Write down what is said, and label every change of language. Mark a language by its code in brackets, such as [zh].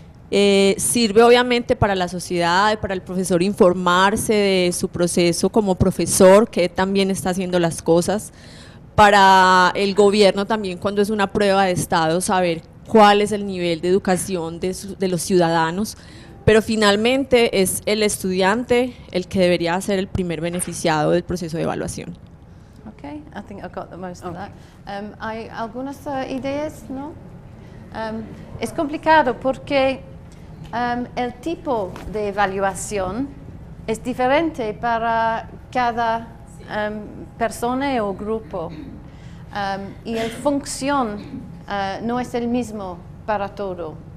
[es] Sirve obviamente para la sociedad, para el profesor informarse de su proceso como profesor, que también está haciendo las cosas, para el gobierno también cuando es una prueba de estado, saber cuál es el nivel de educación de los ciudadanos, pero finalmente es el estudiante el que debería ser el primer beneficiado del proceso de evaluación. [en] Ok, I think I've got the most of that. [es] ¿Hay algunas ideas? ¿No? Es complicado porque el tipo de evaluación es diferente para cada persona o grupo y la función no es el mismo para todo.